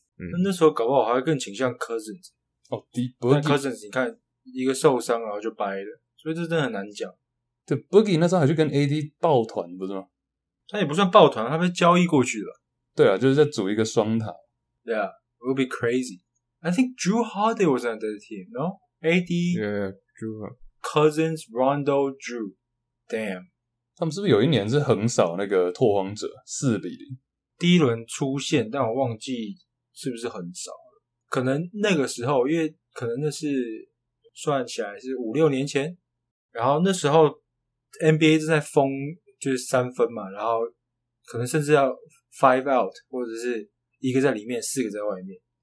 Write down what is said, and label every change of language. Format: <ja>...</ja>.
<zh>嗯。那时候搞不好还会更倾向 Cousins。哦，第不是。但 Cousins 你看一个受伤然后就掰了。所以这真的很难讲。对， Boogie 那时候还去跟 AD 抱团不是吗？他也不算抱团，他被交易过去了。对啊，就是在组一个双塔。</zh> <en>Yeah, it would be crazy. I think Drew Holiday was on that team, no? AD, Drew, Cousins, Rondo, Drew. Damn.</en> <zh>他们是不是有一年是横扫那个拓荒者4-0？第一轮出现，但我忘记是不是横扫了。可能那个时候，因为可能那是算起来是五六年前，然后那时候 NBA 正在封就是三分嘛，然后可能甚至要</zh> <en>Five out，</en> <zh>或者是一个在里面，四个在外面。</zh>